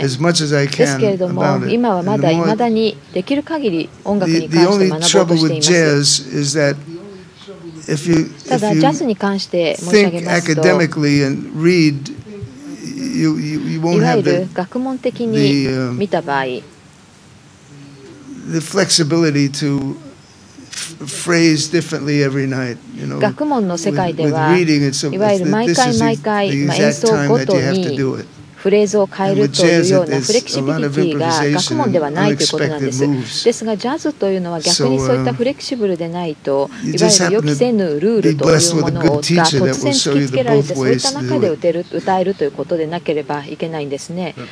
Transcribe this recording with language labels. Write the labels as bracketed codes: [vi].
[ja] ですけれども今はまだ未だにできる限り音楽に関して学ぼうとしています。ただジャズに関して申し上げますと、いわゆる学問的に見た場合、 [en] the flexibility to phrase differently every night, you know, [ja] 学問の世界では、 [en] reading, so, [ja] いわゆる毎回毎回、まあ、演奏ごとにフレーズを変えるというようなフレキシビリティが学問ではないということなんです。ですがジャズというのは逆にそういったフレキシブルでないと、いわゆる予期せぬルールというものが突然突きつけられて、そういった中で歌えるということでなければいけないんですね。